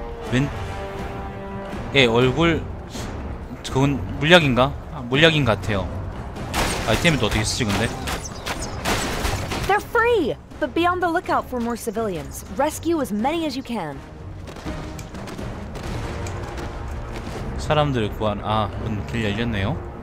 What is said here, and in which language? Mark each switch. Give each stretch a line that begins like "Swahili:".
Korean: 왼 예, 얼굴 그건 물약인가? 아, 물약인 것 같아요. 아이템을 어떻게 쓰지 근데?
English: They're free, but be on the lookout for more civilians. Rescue as many as you can.
Korean: 사람들 구한 아, 문 길 열렸네요.